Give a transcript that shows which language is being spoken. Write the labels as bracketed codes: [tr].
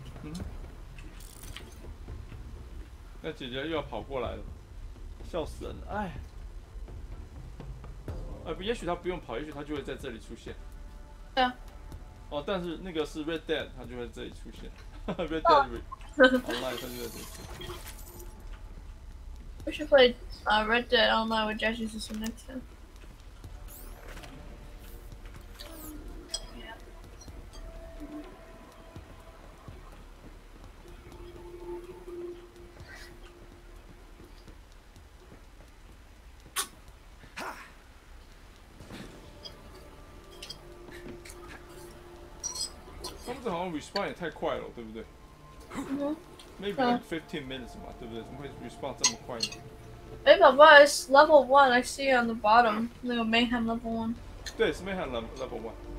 [zh] 嗯。那姐姐又要跑过来了，笑死人了，哎。哎，也许他不用跑，也许他就会在这里出现。对啊。哦，但是那个是 Red Dead， 他就会在这里出现。Red Dead Online， 他就在这里出现。 [en] We should play Red Dead Online with Jesse this next time. [zh] Respond 也太快了，对不对？嗯。 [en] Maybe like 15 minutes [zh] 嘛，对不对？怎么会 respond 这么快呢？ [en] 哎，宝宝 ，it's level one. I see on the bottom, [zh] 那个 [en] mayhem level one. [zh] 对，是 [en] mayhem level one.